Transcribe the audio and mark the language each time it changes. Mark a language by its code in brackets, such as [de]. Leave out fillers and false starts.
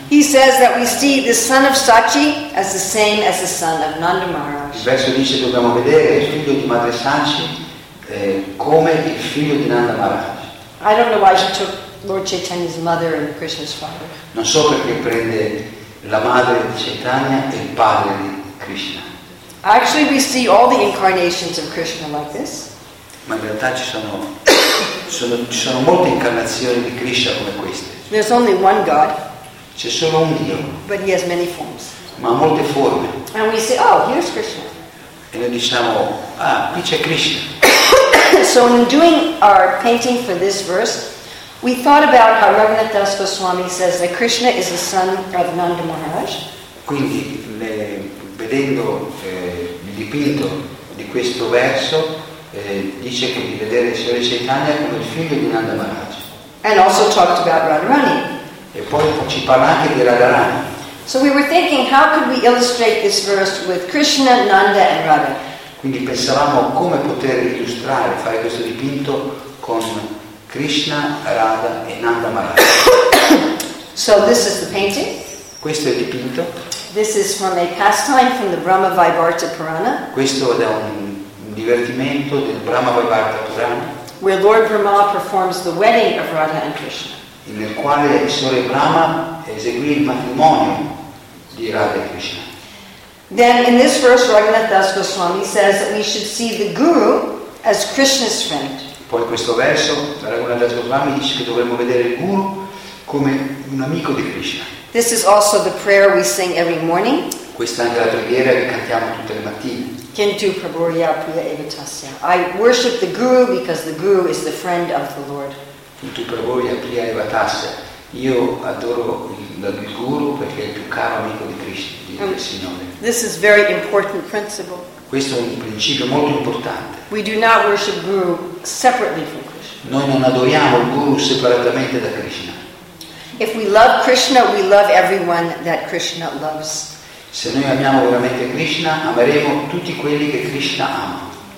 [en] He says that we see the son of Sachi as the same as the son of Nanda Maharaj. [it] Il verso dice dobbiamo vedere il figlio di Madre Sachi come il figlio di Nanda Maharaj. [en] I don't know why she took Lord Chaitanya's mother and Krishna's father. [it] Non so perché prende la madre di Chaitanya e il padre di Krishna. [en] Actually, we see all the incarnations of Krishna like this. [it] Ma in realtà ci sono molte incarnazioni di Krishna come queste. [en] There's only one God. [it] C'è solo un Dio. [en] But he has many forms. [it] Ma ha molte forme. [en] And we say, oh, here's Krishna. [it] E noi diciamo, ah, qui c'è Krishna. [en] So in doing our painting for this verse, we thought about how Raghunath Das Goswami says that Krishna is the son of Nanda Maharaj. [it] Quindi, vedendo il dipinto di questo verso, dice che di vedere il Signore Chaitanya come il figlio di Nanda Maharaj. [en] And also talked about Radharani. [it] E poi ci parla anche di Radharani. [en] So we were thinking, how could we illustrate this verse with Krishna, Nanda and Radha? [it] Quindi pensavamo come poter illustrare, fare questo dipinto con Krishna, Radha e Nanda Maharaj. [en] So this is the painting. [it] Questo è il dipinto. [en] This is from a pastime from the Brahma Vaibharata Purana. [it] Questo è da un divertimento del Brahma Vaibharata Purana. [en] Where Lord Brahma performs the wedding of Radha and Krishna. [it] Nel quale il Signore Brahma eseguì il matrimonio di Radha e Krishna. [en] Then in this verse, Raghunath Das Goswami says that we should see the Guru as Krishna's friend. [it] Poi in questo verso, Raghunath Das Goswami dice che dovremmo vedere il Guru come un amico di Krishna. [en] This is also the prayer we sing every morning. [it] Questa è anche la preghiera che cantiamo tutte le mattine. [sa] Kintu Praburya Priya Evitasya. [en] I worship the Guru because the Guru is the friend of the Lord. [sa] Kintu Praburya Priya Evitasya. [it] Io adoro il Guru perché è il più caro amico di Krishna, del Signore. [en] This is very important principle. [it] Questo è un principio molto importante. [en] We do not worship Guru separately from Krishna. [it] Noi non adoriamo il Guru separatamente da Krishna. [en] If we love Krishna, we love everyone that Krishna loves. [it] Se noi amiamo veramente Krishna, ameremo tutti quelli che Krishna ama.